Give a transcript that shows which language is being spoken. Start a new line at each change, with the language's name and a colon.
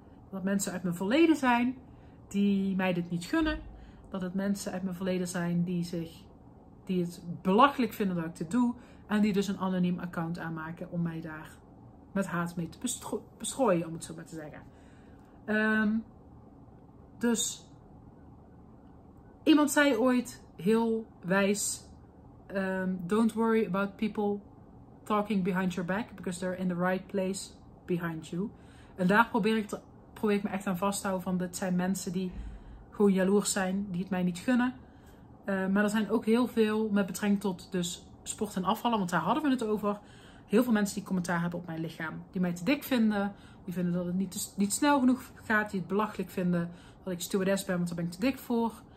Dutch: Dat mensen uit mijn verleden zijn die mij dit niet gunnen. Dat het mensen uit mijn verleden zijn die het belachelijk vinden dat ik dit doe. En die dus een anoniem account aanmaken om mij daar met haat mee te bestrooien, om het zo maar te zeggen. Dus iemand zei ooit heel wijs,
English: don't worry about people talking behind your back, because they're in the right place behind you.
Dutch: En daar probeer ik me echt aan vast te houden, van dat zijn mensen die gewoon jaloers zijn, die het mij niet gunnen. Maar er zijn ook heel veel, met betrekking tot dus sport en afvallen, want daar hadden we het over, heel veel mensen die commentaar hebben op mijn lichaam. Die mij te dik vinden, die vinden dat het niet snel genoeg gaat, die het belachelijk vinden dat ik stewardess ben, want daar ben ik te dik voor.